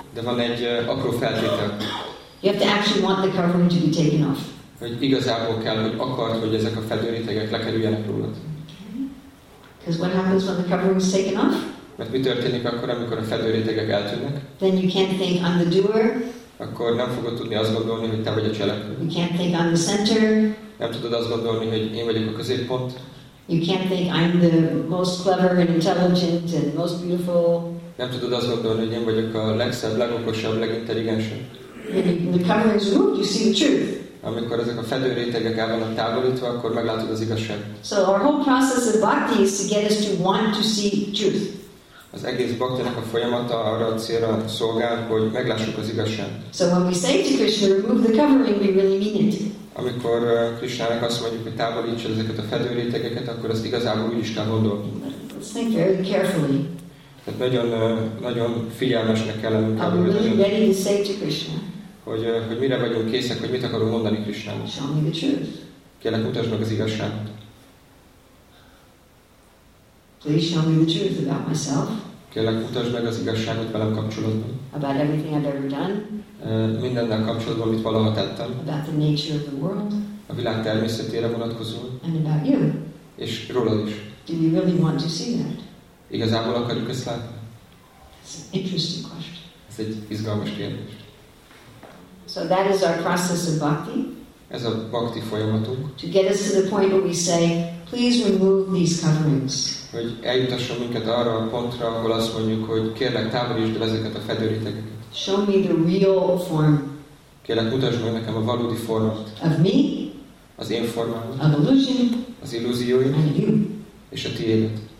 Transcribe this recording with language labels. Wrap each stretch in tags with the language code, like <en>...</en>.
<hu>De van egy apró feltétel.</hu> <en>You have to actually want the covering to be taken off.</en> <hu>Hogy igazából kell, hogy akart, hogy ezek a fedő rétegek lekerüljenek rólad.</hu> <en>Because what happens when the covering is taken off?</en> <hu>Mert mi történik akkor, amikor a fedő rétegek eltűnnek?</hu> <en>Then you can't think I'm the doer.</en> <hu>Akkor nem fogod tudni azt gondolni, hogy te vagy a cselekvő.</hu> <en>You can't think I'm the center.</en> <hu>Nem tudod azt gondolni, hogy én vagyok a középpont.</hu> <en>You can't think I'm the most clever and intelligent and most beautiful.</en> <hu>Nem tudod azt gondolni, hogy én vagyok a legszebb, legokosabb, legintelligensebb.</hu> <en>The cover is removed, you see the truth.</en> <hu>Amikor ezek a fedő rétegek el vannak távolítva, akkor meglátod az igazságot.</hu> <en>So our whole process of bhakti is to get us to want to see truth.</en> <hu>Az egész bhakti-nak a folyamata arra a célra szolgál, hogy meglássuk az igazságot.</hu> <en>So when we say to Krishna, remove the covering, we really mean it.</en> <hu>Amikor Krishnának azt mondjuk, hogy távolíts el ezeket a fedő rétegeket, akkor ezt igazából úgy is kell gondolni.</hu> <en>Let's think very carefully.</en> <hu>Tehát nagyon, nagyon figyelmesnek kell lennünk.</hu> <en>Are we really ready to say to Krishna?</en> <hu>Hogy mire vagyunk készek, hogy mit akarunk mondani Krishnának.</hu> <en>Show me the truth.</en> <hu>Kérlek, mutasd meg az igazságot.</hu> <en>Please show me the truth about myself.</en> <hu>Kérlek, mutasd meg az igazságot velem kapcsolatban.</hu> <en>About everything I've ever done.</en> <hu>Mindennel kapcsolatban, amit valaha tettem.</hu> <en>About the nature of the world.</en> <hu>A világ természetére vonatkozó.</hu> <en>And about you.</en> <hu>És rólad is.</hu> <en>Do you really want to see that?</en> <hu>Igazából akarjuk ezt látni?</hu> <en>It's an interesting question.</en> <hu>Ez egy izgalmas kérdés.</hu> <en>So that is our process of bhakti.</en> <hu>Ez a bhakti folyamatunk.</hu> <en>To get us to the point where we say, please remove these coverings.</en> <hu>Hogy eljutasson minket arra a pontra, ahol azt mondjuk, hogy kérlek, távolítsd el ezeket a fedő rétegeket.</hu> <en>Show me the real form.</en> <hu>Kérlek, mutasd meg nekem a valódi formát.</hu> <en>Of me.</en> <hu>Az én formámat.</hu> <en>Of illusion.</en> <hu>Az illúzióim.</hu> <en>And you.</en> <hu>És a tiédet.</hu>